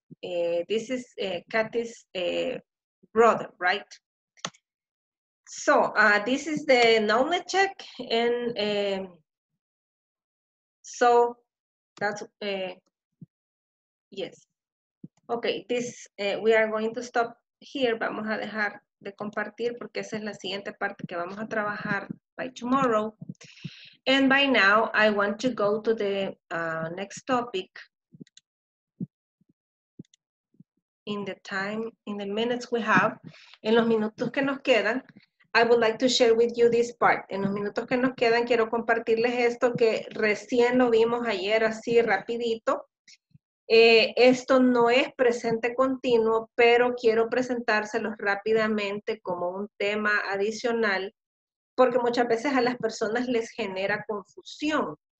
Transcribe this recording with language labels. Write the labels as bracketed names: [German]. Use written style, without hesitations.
[English] This is Kathy's brother, right? So this is the knowledge check, and so that's yes. Okay, this we are going to stop here. [Spanish] Vamos a dejar de compartir porque esa es la siguiente parte que vamos a trabajar [English] by tomorrow. And by now, I want to go to the next topic. In the time, in the minutes we have, [Spanish] en los minutos que nos quedan, [English] I would like to share with you this part. [Spanish] En los minutos que nos quedan, quiero compartirles esto que recién lo vimos ayer así rapidito. Esto no es presente continuo, pero quiero presentárselos rápidamente como un tema adicional, porque muchas veces a las personas les genera confusión.